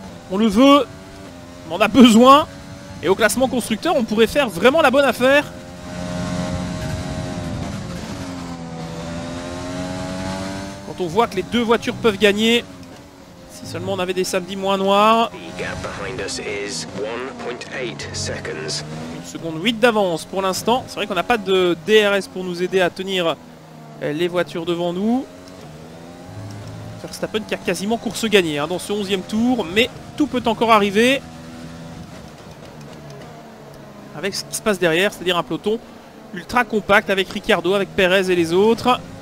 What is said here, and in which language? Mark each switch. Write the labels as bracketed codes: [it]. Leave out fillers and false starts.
[fr] On le veut, on en a besoin. Et au classement constructeur, on pourrait faire vraiment la bonne affaire. Quand on voit que les deux voitures peuvent gagner, si seulement on avait des samedis moins noirs. [en] The gap behind us is 1.8 seconds. [fr] Seconde 8 d'avance pour l'instant. C'est vrai qu'on n'a pas de DRS pour nous aider à tenir les voitures devant nous. Verstappen qui a quasiment course gagnée hein, dans ce 11e tour, mais tout peut encore arriver avec ce qui se passe derrière, c'est-à-dire un peloton ultra compact avec Ricciardo, avec Perez et les autres.